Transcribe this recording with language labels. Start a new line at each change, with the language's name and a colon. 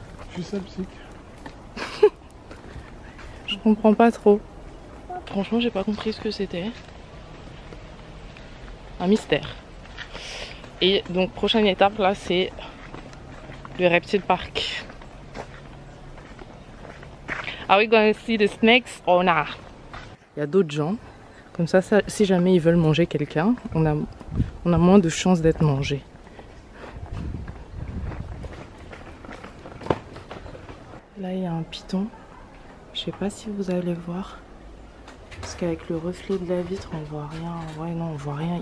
French: Je suis sceptique. Je comprends pas trop. Franchement, j'ai pas compris ce que c'était. Un mystère. Et donc, prochaine étape, là, c'est le reptile park.
English: Are we going to see the snakes or not?
French: Il y a d'autres gens. Comme ça, ça, si jamais ils veulent manger quelqu'un, on a moins de chances d'être mangé. Là, il y a un python. Je sais pas si vous allez voir. Parce qu'avec le reflet de la vitre, on voit rien. Ouais, non, on voit rien.